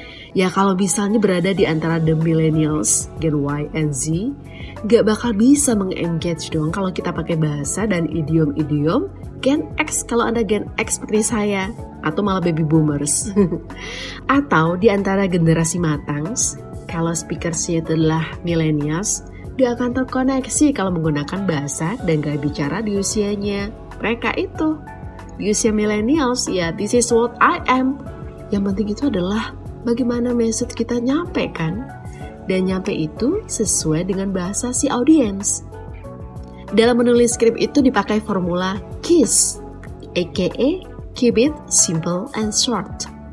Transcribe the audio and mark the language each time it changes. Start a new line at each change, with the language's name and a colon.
Indonesian: Ya kalau misalnya berada di antara the millennials, Gen Y and Z, gak bakal bisa meng-engage dong kalau kita pakai bahasa dan idiom-idiom Gen X kalau ada Gen X seperti saya, atau malah baby boomers. Atau di antara generasi matangs, kalau speakersnya adalah millennials, dia akan terkoneksi kalau menggunakan bahasa dan gaya bicara di usianya. Mereka itu. Di usia millennials, ya
English: this is what I am.
Indonesian: Yang penting itu adalah bagaimana message kita nyampe kan? Dan nyampe itu sesuai dengan bahasa si audience. Dalam menulis skrip itu dipakai formula KISS, aka
English: keep it simple and short.